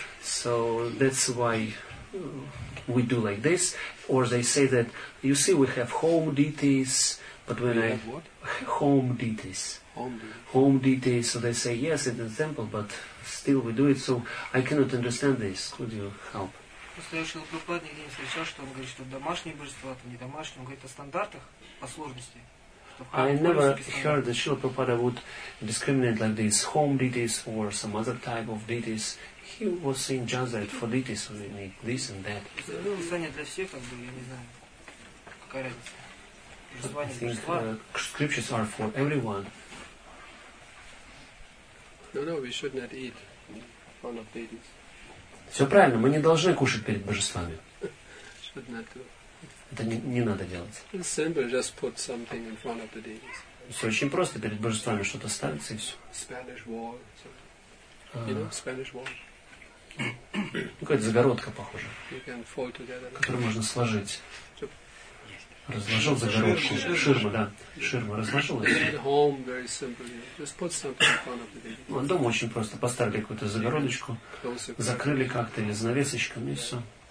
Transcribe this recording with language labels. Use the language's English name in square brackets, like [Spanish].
[English] So that's why we do like this. Or they say that, you see, we have home deities. But when home deities, so they say yes in the temple, but still we do it. So I cannot understand this. Could you help? [Russian] Настоящий Прабхупада нигде не встречал, что он говорит, что домашние божества, то не домашние. Он говорит о стандартах, о сложности. [English] I never heard that Srila Prabhupada would discriminate like this, home deities or some other type of deities. He was saying just that for deities we need this and that. [Russian] Это для всех, как бы, я не знаю. какая разница? [English] I think scriptures are for everyone. No, we should not eat in front of deities. [Russian] Все правильно, мы не должны кушать перед божествами. [English] Should not do. [Russian] Это не надо делать. [English] It's simple, just put something in front of the deities. [Russian] Все очень просто, перед божествами что-то ставится и все. [English] Spanish wall, so, you know, Spanish wall. [Russian] Ну, какая-то загородка, похоже. [English] You can fold together. [Russian] Которую можно сложить. Разложил загородку, ширма, да, ширма разложила. Вот дома очень просто, поставили какую-то загородочку, закрыли как-то или занавесочками, и все.